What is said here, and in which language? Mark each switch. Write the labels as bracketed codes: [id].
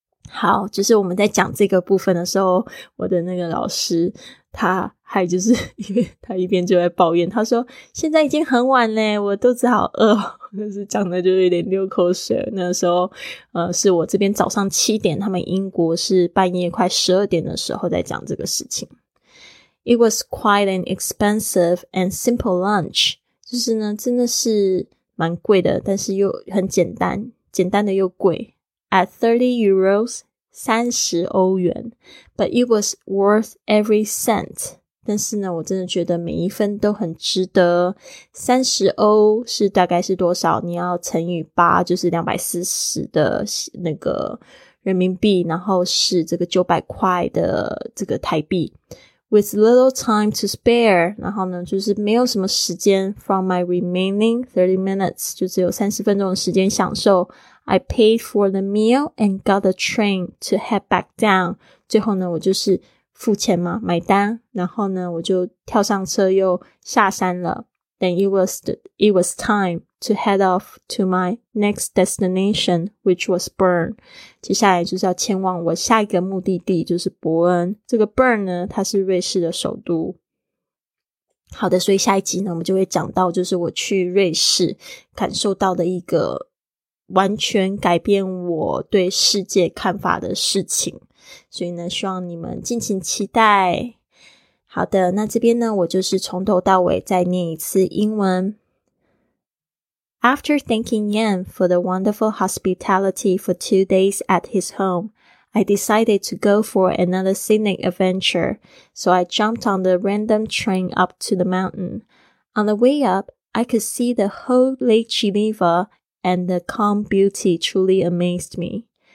[zh] 好，就是我们在讲这个部分的时候，我的那个老师他还就是因为他一边就在抱怨，他说现在已经很晚嘞，我肚子好饿，就是讲的就有点流口水。那时候是我这边早上7点，他们英国是半夜快12点的时候在讲这个事情。 [en] It was quite an expensive and simple lunch. [zh] 就是呢，真的是蛮贵的，但是又很简单，简单的又贵。 [en] At 30 euros, 三十欧元。 But it was worth every cent. [zh] 但是呢，我真的觉得每一分都很值得。三十欧是大概是多少？你要乘以八，就是240的那个人民币，然后是这个900块的这个台币。 [en] With little time to spare, 然后呢就是没有什么时间 from my remaining 30 minutes, 就只有30分钟的时间享受 I paid for the meal and got the train to head back down. [zh] 最后呢我就是付钱嘛买单然后呢我就跳上车又下山了 Then it was time to head off to my next destination, which was Bern. 接下来就是要前往我下一个目的地就是伯恩。这个 Bern 呢它是瑞士的首都。好的所以下一集呢我们就会讲到就是我去瑞士感受到的一个完全改变我对世界看法的事情。所以呢希望你们敬请期待。好的那这边呢我就是从头到尾再念一次英文。 [en] After thanking Yan for the wonderful hospitality for 2 days at his home, I decided to go for another scenic adventure, so I jumped on the random train up to the mountain. On the way up, I could see the whole Lake Geneva, and the calm beauty truly amazed me.